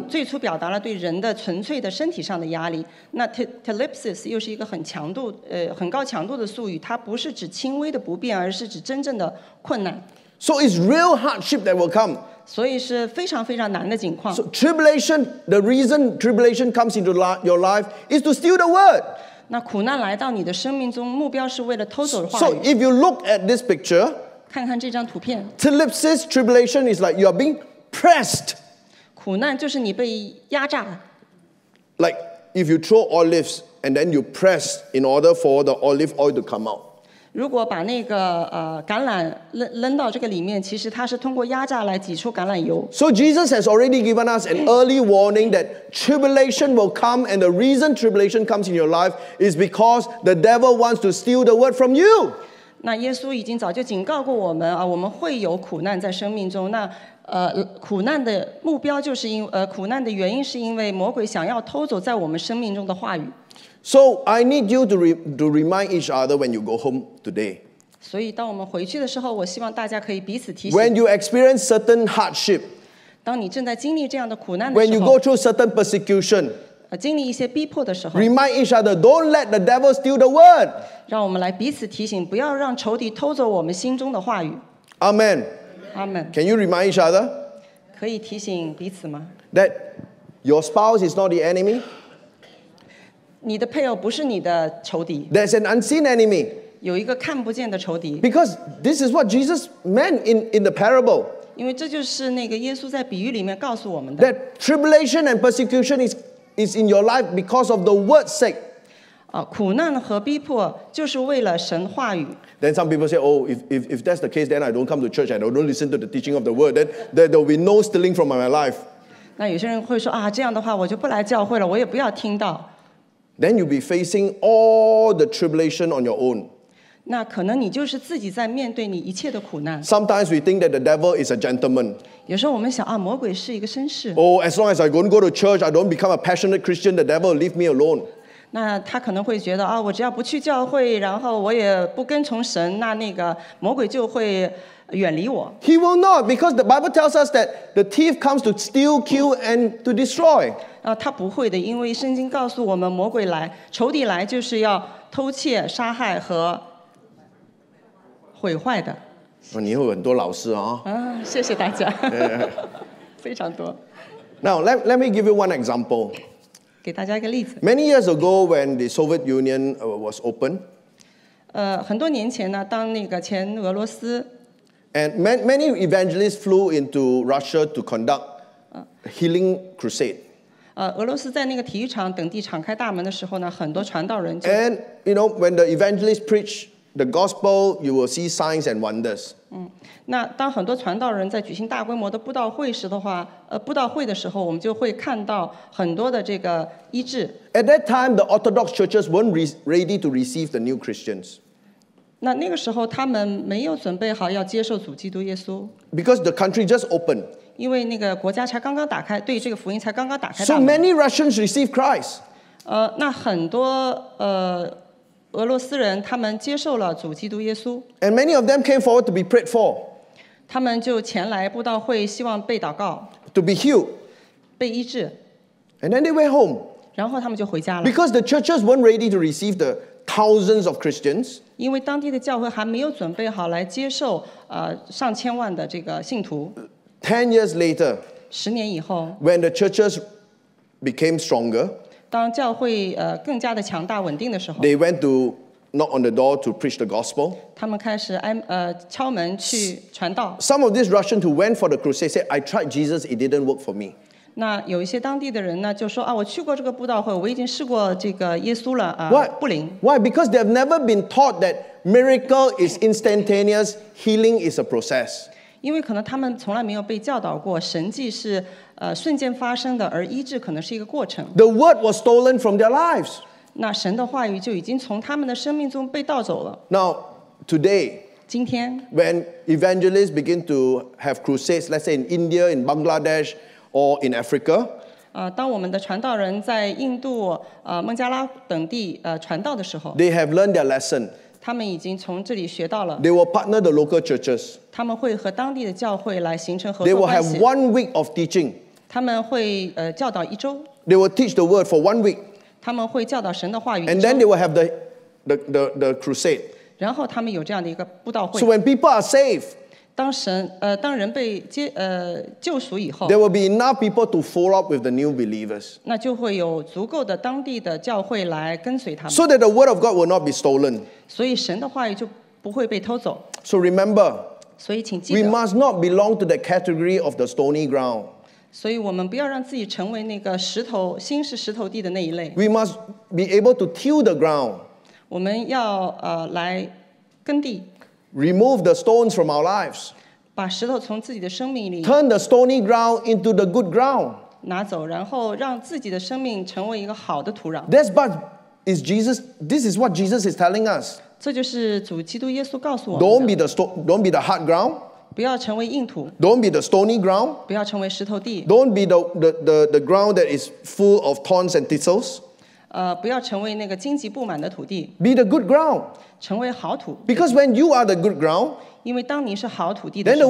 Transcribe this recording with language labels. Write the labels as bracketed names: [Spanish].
[Chinese] 最初表达了对人的纯粹的身体上的压力。那 tilipsis 又是一个很强度、很高强度的术语，它不是指轻微的不便，而是指真正的困难。 [English] So it's real hardship that will come. [Chinese] 所以是非常非常难的境况。 [English] So tribulation, the reason tribulation comes into your life is to steal the word. [Chinese] 那苦难来到你的生命中，目标是为了偷走话语。 [English] So if you look at this picture, [Chinese] 看看这张图片。 [English] Tilipsis tribulation is like you are being pressed. [Chinese] 苦难就是你被压榨。 [English] Like if you throw olives and then you press in order for the olive oil to come out. [Chinese] 如果把那个橄榄扔到这个里面，其实它是通过压榨来挤出橄榄油。 [English] So Jesus has already given us an early warning that tribulation will come, and the reason tribulation comes in your life is because the devil wants to steal the word from you. [Chinese] 那耶稣已经早就警告过我们啊，我们会有苦难在生命中。那苦难的目标就是因苦难的原因是因为魔鬼想要偷走在我们生命中的话语。 [English] So I need you to remind each other when you go home today. [Chinese] 所以当我们回去的时候，我希望大家可以彼此提醒。 [English] When you experience certain hardship, [Chinese] 当你正在经历这样的苦难的时候 [English] ，when you go through certain persecution, [Chinese] 经历一些逼迫的时候 [English] ，remind each other, don't let the devil steal the word. [Chinese] 让我们来彼此提醒，不要让仇敌偷走我们心中的话语。 [English] Amen. Amen. Can you remind each other? [Chinese] 可以提醒彼此吗 [English] ？That your spouse is not the enemy. [Chinese] 你的配偶不是你的仇敌。 [English] There's an unseen enemy. [Chinese] 有一个看不见的仇敌。 [English] Because this is what Jesus meant in the parable. [Chinese] 因为这就是那个耶稣在比喻里面告诉我们的。 [English] That tribulation and persecution is in your life because of the word's sake. [Chinese] 苦难和逼迫就是为了神话语。 [English] Then some people say, oh, if that's the case, then I don't come to church and I don't listen to the teaching of the word. Then there will be no stealing from my life. [Chinese] 那有些人会说啊，这样的话我就不来教会了，我也不要听到。 [English] Then you'll be facing all the tribulation on your own. [Chinese] 那可能你就是自己在面对你一切的苦难。 [English] Sometimes we think that the devil is a gentleman. [Chinese] 有时候我们想啊，魔鬼是一个绅士。 [English] Oh, as long as I don't go to church, I don't become a passionate Christian, the devil will leave me alone. [Chinese] 那他可能会觉得啊，我只要不去教会，然后我也不跟从神，那个魔鬼就会远离我。 [English] He will not, because the Bible tells us that the thief comes to steal, kill, and to destroy. [Chinese] 他不会的，因为圣经告诉我们，魔鬼来，仇敌来，就是要偷窃、杀害和毁坏的。哦、你有很多老师啊！谢谢大家，非常多。 [English] Now let me give you one example. [Chinese] 给大家一个例子。 [English] Many years ago, when the Soviet Union was open, [Chinese] 很多年前呢，当那个前俄罗斯 [English] ，and many evangelists flew into Russia to conduct healing crusade. [Chinese] 俄罗斯在那个体育场等地敞开大门的时候呢，很多传道人就 [English] And you know when the evangelist preached the gospel, you will see signs and wonders. [Chinese] 那当很多传道人在举行大规模的布道会时的话，布道会的时候，我们就会看到很多的这个医治。 [English] At that time, the Orthodox churches weren't ready to receive the new Christians. [Chinese] 那个时候，他们没有准备好要接受主基督耶稣。 [English] Because the country just opened. [Chinese] 因为那个国家才刚刚打开，对这个福音才刚刚打开。 [English] So many Russians received Christ. [Chinese] 那很多俄罗斯人他们接受了主基督耶稣。 [English] And many of them came forward to be prayed for. [Chinese] 他们就前来布道会，希望被祷告。 [English] To be healed. [Chinese] 被医治。 [English] And then they went home. [Chinese] 然后他们就回家了。 [English] Because the churches weren't ready to receive the thousands of Christians. [Chinese] 因为当地的教会还没有准备好来接受上千万的这个信徒。 [English] 10 years later. [Chinese] 十年以后。 [English] When the churches became stronger. [Chinese] 当教会更加的强大稳定的时候 [English] ，They went to knock on the door to preach the gospel. [Chinese] 他们开始敲门去传道。 [English] Some of these Russians who went for the crusade said, "I tried Jesus, it didn't work for me." [Chinese] 那有一些当地的人呢，就说啊，我去过这个布道会，我已经试过这个耶稣了啊， [English] Why? [Chinese] 不灵。 [English] Why? Because they have never been taught that miracle is instantaneous, healing is a process. [Chinese] 因为可能他们从来没有被教导过神迹是。瞬间发生的，而医治可能是一个过程。 [English] The word was stolen from their lives. [Chinese] 那神的话语就已经从他们的生命中被盗走了。 [English] Now, today, [Chinese] 今天 [English] when evangelists begin to have crusades, let's say in India, in Bangladesh, or in Africa, [Chinese] 当我们的传道人在印度、孟加拉等地传道的时候 [English] ，they have learned their lesson. [Chinese] 他们已经从这里学到了。 [English] They will partner the local churches. [Chinese] 他们会和当地的教会来形成合作关系。 [English] They will have 1 week of teaching. [Chinese] 他们会教导一周。 [English] They will teach the word for 1 week. [Chinese] 他们会教导神的话语。 [English] And then they will have the crusade. [Chinese] 然后他们有这样的一个布道会。 [English] So when people are saved, [Chinese] 当人被救赎以后 [English] ，there will be enough people to follow up with the new believers. [Chinese] 那就会有足够的当地的教会来跟随他们。 [English] So that the word of God will not be stolen. [Chinese] 所以神的话语就不会被偷走。 [English] So remember, [Chinese] 所以请记得 [English] ，we must not belong to the category of the stony ground. [Chinese] 所以我们不要让自己成为那个石头，心是石头地的那一类。 [English] We must be able to till the ground. [Chinese] 我们要来耕地。 [English] Remove the stones from our lives. [Chinese] 把石头从自己的生命里。 [English] Turn the stony ground into the good ground. [Chinese] 拿走，然后让自己的生命成为一个好的土壤。 [English] This is what Jesus is telling us. [Chinese] 这就是主基督耶稣告诉我们 [English] 的。Don't be the hard ground. [Chinese] 不要成为硬土。 [English] Don't be the stony ground. [Chinese] 不要成为石头地。 [English] Don't be the ground that is full of thorns and thistles. [Chinese] 不要成为那个荆棘布满的土地。 [English] Be the good ground. [Chinese] 成为好土。 [English] Because when you are the good ground, [Chinese] 因为当你是好土地的时候